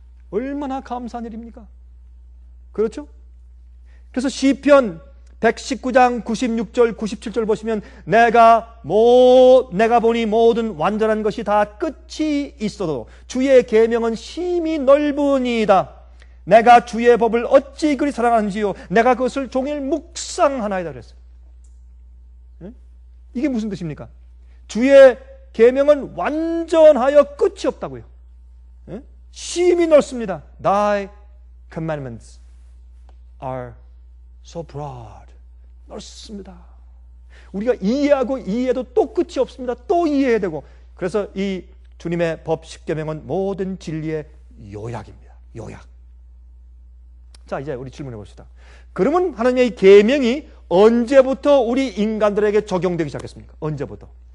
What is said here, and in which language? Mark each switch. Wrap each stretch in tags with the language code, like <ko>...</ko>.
<ko>얼마나 감사한 일입니까? 그렇죠? 그래서 시편 119장 96절 97절 보시면 내가 보니 모든 완전한 것이 다 끝이 있어도 주의 계명은 심히 넓으니이다. 내가 주의 법을 어찌 그리 사랑하는지요. 내가 그것을 종일 묵상하나이다 그랬어요. 이게 무슨 뜻입니까? 주의 계명은 완전하여 끝이 없다고요. 심히 넓습니다.</ko> <en>Thy commandments are so broad.</en> <ko>넓습니다. 우리가 이해하고 이해해도 또 끝이 없습니다. 또 이해해야 되고. 그래서 이 주님의 법 십계명은 모든 진리의 요약입니다. 요약. 자, 이제 우리 질문해 봅시다. 그러면 하나님의 계명이 언제부터 우리 인간들에게 적용되기 시작했습니까? 언제부터?</ko>